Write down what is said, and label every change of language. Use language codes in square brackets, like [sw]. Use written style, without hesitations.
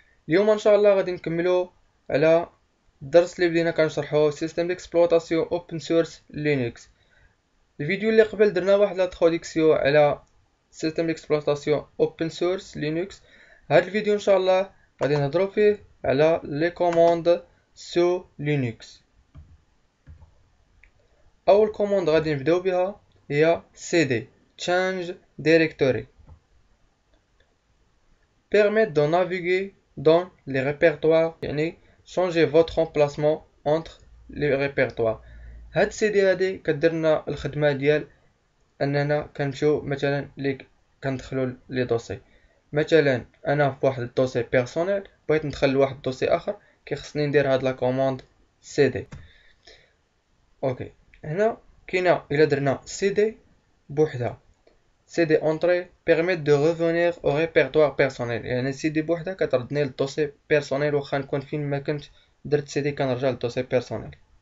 [ar] اليوم إن شاء الله غادي نكملو على الدرس اللي بدينا كنشرحوه سيستم ديكسبلوطاسيون اوبن سورس لينكس. الفيديو اللي قبل درنا واحد لاتخوديكسيو على سيستم ديكسبلوطاسيون اوبن سورس لينكس. هاد الفيديو إن شاء الله غادي نهضرو فيه على لي كوموند سو لينكس. أول كوموند غادي نبداو بها هي [fr] cd change directory permettre de naviguer dans les répertoires, يعني changer votre emplacement entre les répertoires. [ar] هاد cd هادي كديرنا الخدمه ديال اننا كنمشيو مثلا لي كندخلوا لي دوسي. مثلا انا في واحد الدوسي بيرسونيل بغيت ندخل لواحد الدوسي اخر، كيخصني ندير هاد لا كوموند cd. اوكي، هنا كاين الى درنا cd بوحدها، [fr] cd entrée permet de revenir au répertoire personnel، [ar] يعني cd بوحدها كتردني للدوسي بيرسونيل واخا نكون فين ما كنت درت cd كنرجع للدوسي بيرسونيل.